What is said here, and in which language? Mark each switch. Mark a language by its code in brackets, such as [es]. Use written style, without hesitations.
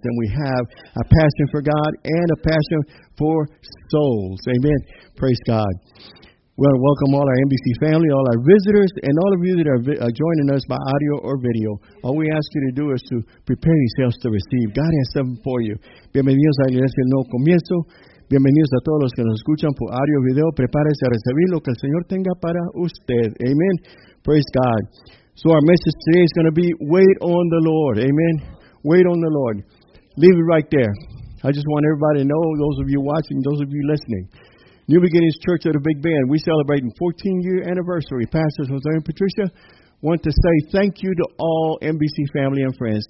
[en] And we have a passion for God and a passion for souls. Amen. Praise God. We want to welcome all our NBC family, all our visitors, and all of you that are joining us by audio or video. All we ask you to do is to prepare yourselves to receive. God has something for you. [es] Bienvenidos a la iglesia del nuevo comienzo. Bienvenidos a todos los que nos escuchan por audio o video. Prepárese a recibir lo que el Señor tenga para usted. [en] Amen. Praise God. So our message today is going to be wait on the Lord. Amen. Wait on the Lord. Leave it right there. I just want everybody to know, those of you watching, those of you listening, New Beginnings Church of the Big Bend, we're celebrating 14-year anniversary. Pastors Jose and Patricia want to say thank you to all NBC family and friends.